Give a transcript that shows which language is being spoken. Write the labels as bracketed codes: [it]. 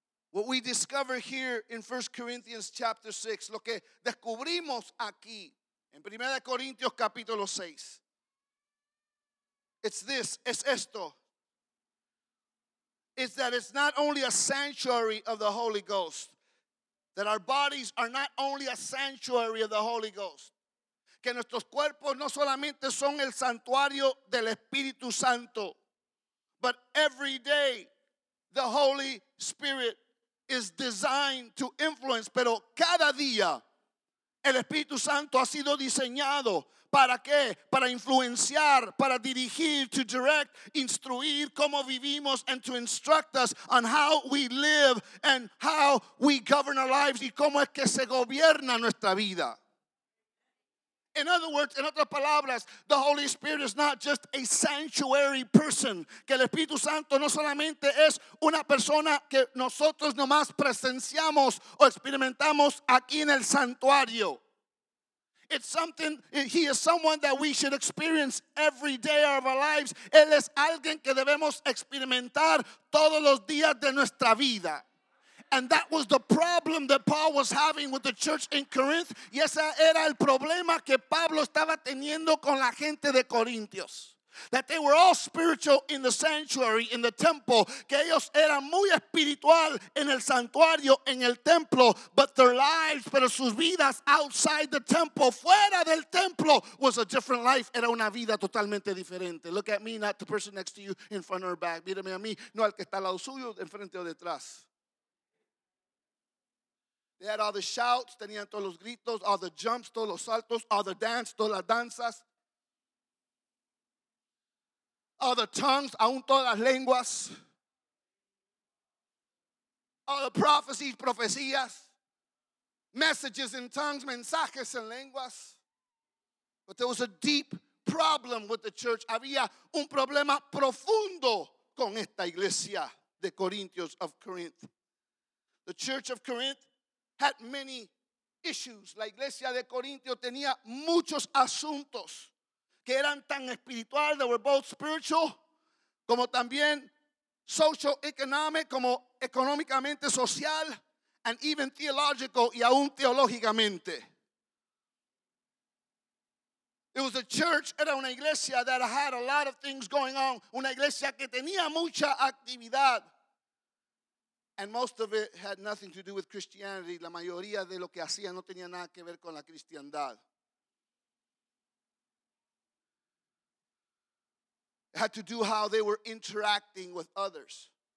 [en] What we discover here in 1 Corinthians chapter 6, [es] lo que descubrimos aquí en 1 Corintios capítulo 6, [en] it's this, [es] es esto. [en] It's that it's not only a sanctuary of the Holy Ghost. That our bodies are not only a sanctuary of the Holy Ghost. [es] Que nuestros cuerpos no solamente son el santuario del Espíritu Santo. [en] But every day the Holy Spirit is designed to influence. [es] Pero cada día el Espíritu Santo ha sido diseñado. ¿Para qué? Para influenciar, para dirigir, [en] to direct, [es] instruir cómo vivimos, [en] and to instruct us on how we live and how we govern our lives, [es] y cómo es que se gobierna nuestra vida. [en] In other words, [es] en otras palabras, [en] the Holy Spirit is not just a sanctuary person. [es] Que el Espíritu Santo no solamente es una persona que nosotros nomás presenciamos o experimentamos aquí en el santuario. [en] It's something, he is someone that we should experience every day of our lives. [es] Él es alguien que debemos experimentar todos los días de nuestra vida. [en] And that was the problem that Paul was having with the church in Corinth. [es] Y ese era el problema que Pablo estaba teniendo con la gente de Corintios. [en] That they were all spiritual in the sanctuary, in the temple. [es] Que ellos eran muy espiritual en el santuario, en el templo. [en] But their lives, [es] pero sus vidas [en] outside the temple, [es] fuera del templo, [en] was a different life. [es] Era una vida totalmente diferente. [en] Look at me, not the person next to you, in front or back. [es] Mírame a mí, no al que está al lado suyo, en frente o detrás. [en] They had all the shouts, [es] tenían todos los gritos, [en] all the jumps, [es] todos los saltos, [en] all the dance, [es] todas las danzas. [en] All the tongues, [es] aún todas las lenguas. [en] All the prophecies, profecías. Messages in tongues, [es] mensajes en lenguas. [en] But there was a deep problem with the church. [es] Había un problema profundo con esta iglesia de Corintios of Corinth. [en] The church of Corinth had many issues. [es] La iglesia de Corinto tenía muchos asuntos que eran tan espiritual, [en] they were both spiritual, [es] como también socioeconomic, como económicamente social, [en] and even theological, [es] y aún teológicamente. [en] It was a church, [es] era una iglesia [en] that had a lot of things going on, [es] una iglesia que tenía mucha actividad. [en] And most of it had nothing to do with Christianity. [es] La mayoría de lo que hacía no tenía nada que ver con la cristiandad. [en] It had to do how they were interacting with others.